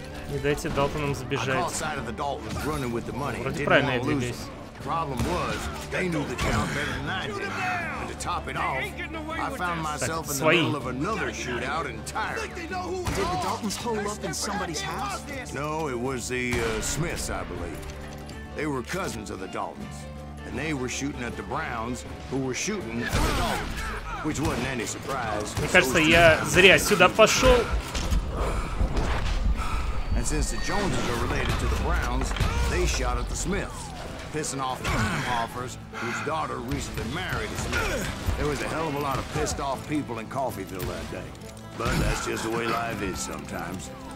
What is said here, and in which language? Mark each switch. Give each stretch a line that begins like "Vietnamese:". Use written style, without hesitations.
Russian: Не дайте Далтонам сбежать. Вроде правильно двигались.
English: Problem was, they knew the town better than I did. And to top it off, I found myself in the middle of another shootout entirely. Did the Daltons hole up in somebody's house? No, it was the Smiths, I believe. They were cousins of the Daltons, and they were shooting at the Browns, who were shooting at the Daltons, which wasn't any surprise.
Russian: Мне кажется, я зря сюда пошел.
English: And since the Joneses are related to the Browns, they shot at the Smiths. Pissing off the Hoffers, whose daughter recently married a Smith. There was a hell of a lot of pissed off people in Coffeyville that day. But that's just the way life is sometimes.